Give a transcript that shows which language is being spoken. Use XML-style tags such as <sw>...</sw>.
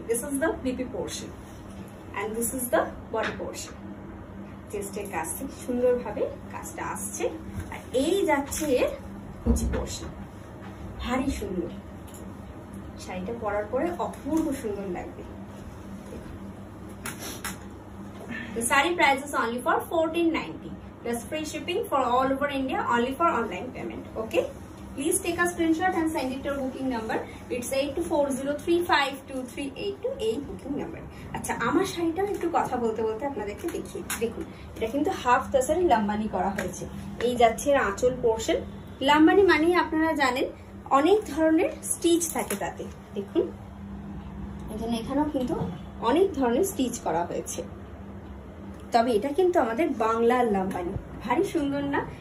<en>This is the BP portion and this is the body portion.</en> <bn>চেস্টের কাছ থেকে সুন্দরভাবে কাজটা আসছে, আর এই যাচ্ছে এর কুচি পোর্শন। ভারী সুন্দর শাড়িটা পরার পরে অপূর্ব সুন্দর লাগবে।</bn> <en>The saree price is only for ₹14.90 plus free shipping for all over India, only for online payment. Okay, please take a screenshot and send it to booking number. It's 8240352382, এই booking number.</en> <bn>আচ্ছা, আমার শাড়িটা একটু কথা বলতে বলতে আপনাদেরকে দেখিয়ে দিই। দেখুন এটা কিন্তু হাফ তাসারি লাম্বানি করা হয়েছে। এই যাচ্ছে আঁচল পোর্শন। লাম্বানি মানে আপনারা জানেন অনেক ধরনের স্টিচ থাকে তাতে। দেখুন এখানে এখানেও কিন্তু অনেক ধরনের স্টিচ করা হয়েছে, তবে এটা কিন্তু আমাদের বাংলার লাম্বানি। ভারী সুন্দর না?</bn>